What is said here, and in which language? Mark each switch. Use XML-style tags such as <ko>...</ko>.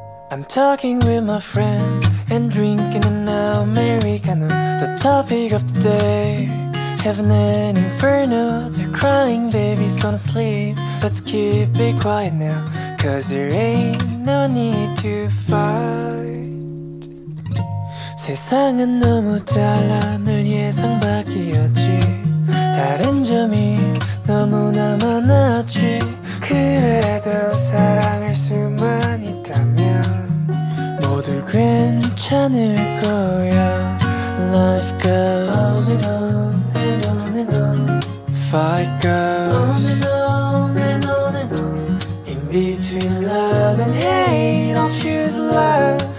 <en>I'm talking with my friend and drinking an americano. The topic of the day, heaven and inferno. The crying baby's gonna sleep. Let's keep it quiet now, 'cause there ain't no need to fight.</en> <ko>세상은 너무 달라 늘 예상 밖이었지. 다른 점이 너무나 많았지. 그래도 사랑할 수만 있다면 모두 괜찮을 거야.</ko> <en>Life goes on and on and on and on. Fight goes on and on and on and on. In between love and hate, I'll choose love.</en>